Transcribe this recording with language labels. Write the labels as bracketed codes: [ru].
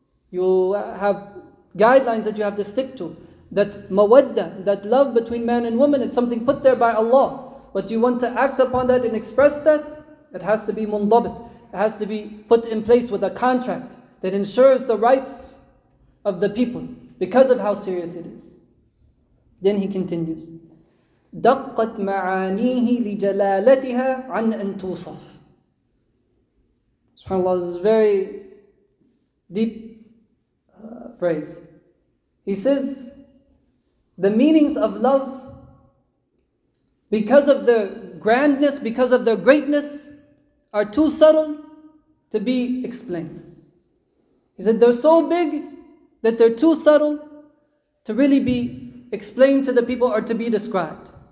[en] You have guidelines that you have to stick to. That mawadda, that love between man and woman, it's something put there by Allah. But you want to act upon that and express that, it has to be mundabit. It has to be put in place with a contract that ensures the rights of the people because of how serious it is. Then he continues, [ar] دَقَّتْ مَعَانِيهِ لِجَلَالَتِهَا عَنْ أَنْ تُوصَفْ. [en] SubhanAllah, this is a very deep phrase. He says, the meanings of love, because of their grandness, because of their greatness, are too subtle to be explained. He said they're so big that they're too subtle to really be explained to the people or to be described.